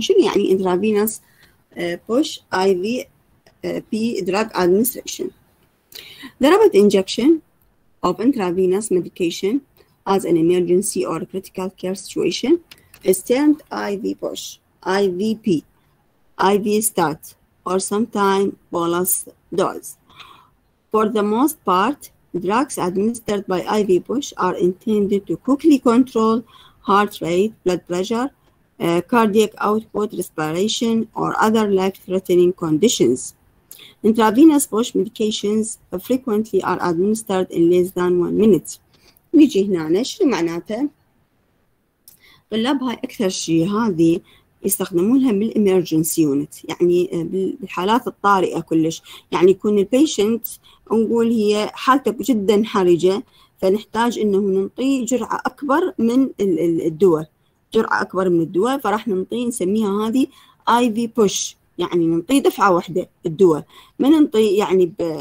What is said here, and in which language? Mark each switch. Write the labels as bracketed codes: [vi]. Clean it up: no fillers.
[ar] شنو يعني [en] Intravenous push I V P drug administration? ضربت injection of intravenous medication as in emergency or critical care situation is termed I V push, I V P, I V stat, or some time bolus dose. For the most part, drugs administered by IV push are intended to quickly control heart rate, blood pressure, cardiac output, respiration, or other life-threatening conditions. Intravenous push medications frequently are administered in less than 1 minute. [ar] نيجي هنا شنو معناته؟ طلاب هاي أكثر شيء هذه يستخدمونها بالإمرجنسي يونت، يعني بالحالات الطارئة كلش، يعني يكون البيشنت نقول هي حالته جدا حرجة، فنحتاج إنه نعطيه جرعة أكبر من الدواء، جرعة أكبر من الدواء، فراح نعطيه نسميها هذه اي في بوش، يعني نعطيه دفعة واحدة الدواء، ما نعطيه يعني